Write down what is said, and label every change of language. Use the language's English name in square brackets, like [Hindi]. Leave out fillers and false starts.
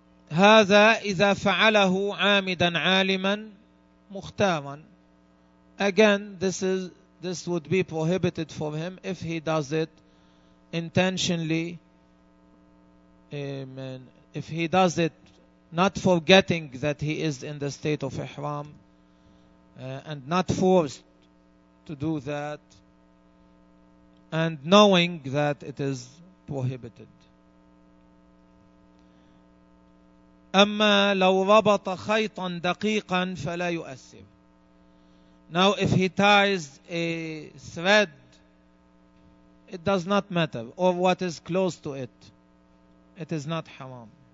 [Arabic] هذا إذا فعله عامدا عالما مختارا. [English] Again, this would be prohibited for him if he does it intentionally. Amen. If he does it not forgetting that he is in the state of ihram and not forced to do that and knowing that it is prohibited. [Arabic] أما لو ربط خيطا دقيقا فلا يؤثر. [English] Now if he ties a thread, it does not matter, or what is close to it, it is not haram.